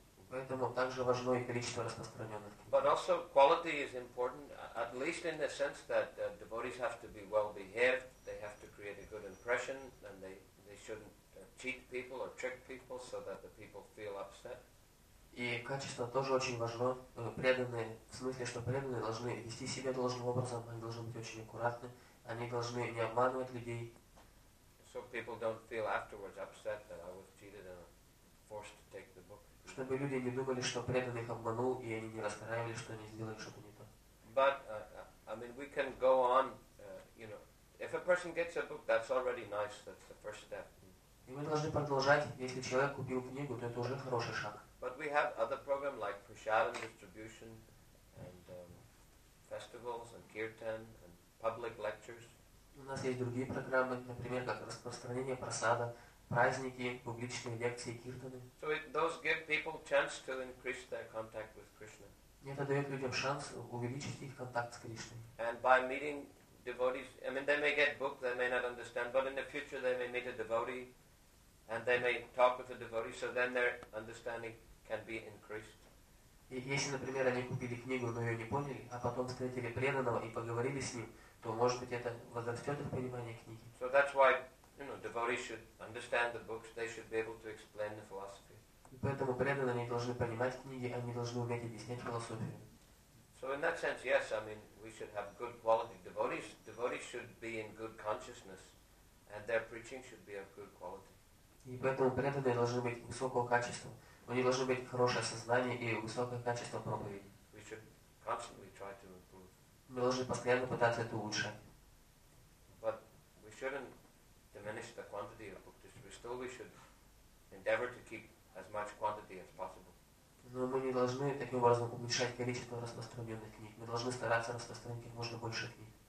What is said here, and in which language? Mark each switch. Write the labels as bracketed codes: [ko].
[ru] Поэтому также важно и количество распространенных книг. [en] But also quality is important, at least in the sense that devotees have to be well behaved, they have to create a good impression, and they shouldn't cheat people or trick people so that the people feel upset. [ru] И качество тоже очень важно. Преданные, в смысле, что преданные должны вести себя должным образом, они должны быть очень аккуратны, они должны не обманывать людей. [en] So people don't feel afterwards upset that I was cheated and forced to take the book. [ru] Чтобы люди не думали, что преданный их обманул, и они не расстраивались, что они сделали что-то не то. [en] But, I mean, we can go on, you know, if a person gets a book, that's already nice, that's the first step. [ru] И мы должны продолжать, если человек купил книгу, то это уже хороший шаг. [en] But we have other programs like prasadam distribution and festivals and kirtan and public lectures. [ru] У нас есть другие программы, например, как распространение прасада, праздники, публичные лекции, киртаны. [en] So those give people chance to increase their contact with Krishna. [ru] Это дает людям шанс увеличить их контакт с Кришной. [en] And by meeting devotees, I mean, they may get books, they may not understand, but in the future they may meet a devotee. And they may talk with the devotee, so then their understanding can be increased. [ru] Если, например, они купили книгу, но ее не поняли, а потом встретили преданного и поговорили с ним, то, может быть, это возрастет их понимание книги. [en] So that's why, you know, devotees should understand the books. They should be able to explain the philosophy. [ru] Поэтому преданные должны понимать книги, они должны уметь объяснять философию. [en] So in that sense, yes, I mean, we should have good quality devotees. Devotees should be in good consciousness, and their preaching should be of good quality. [ru] И поэтому преданные должны быть высокого качества. У них должно быть хорошее сознание и высокое качество проповеди. [en] We should constantly try to improve. [ru] Мы должны постоянно пытаться это улучшать. [en] But we shouldn't diminish the quantity of book distribution. Still we should endeavor to keep as much quantity as possible. [ru] Но мы не должны таким образом уменьшать количество распространенных книг. Мы должны стараться распространить как можно больше книг.